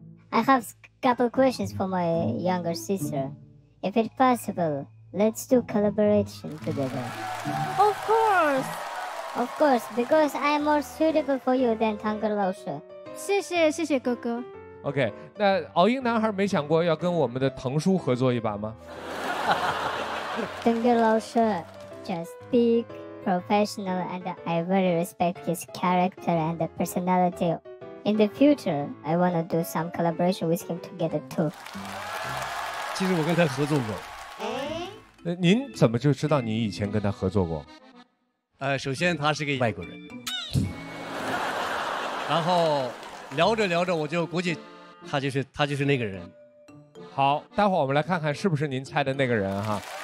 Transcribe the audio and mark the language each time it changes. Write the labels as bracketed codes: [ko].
[en] I have a couple questions for my younger sister. If it's possible, let's do collaboration together. Of course! Of course, because I'm more suitable for you than Tanger 老师。 [zh] 谢谢，谢谢哥哥。 OK, 那敖英男孩没想过要跟我们的腾叔合作一把吗？ [en] Tanger 老师 just speak. Professional and I very respect his character and personality. In the future, I want to do some collaboration with him together too. [zh] 其实我跟他合作过。您怎么就知道你以前跟他合作过？首先他是个外国人。然后聊着聊着我就估计他就是那个人。好，待会儿我们来看看是不是您猜的那个人哈。